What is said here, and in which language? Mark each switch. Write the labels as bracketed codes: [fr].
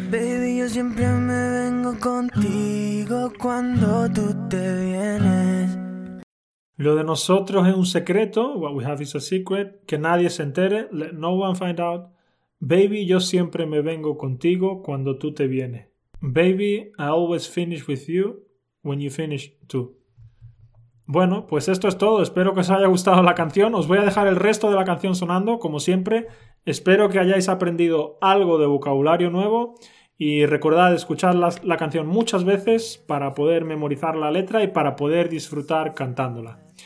[es] Baby, yo siempre me vengo contigo cuando tú te vienes. Lo de nosotros es un secreto. What we have is a secret. Que nadie se entere. Let no one find out. Baby, yo siempre me vengo contigo cuando tú te vienes. [en] Baby, I always finish with you when you finish too. [es] Bueno, pues esto es todo. Espero que os haya gustado la canción. Os voy a dejar el resto de la canción sonando, como siempre. Espero que hayáis aprendido algo de vocabulario nuevo. Y recordad escuchar la canción muchas veces para poder memorizar la letra y para poder disfrutar cantándola.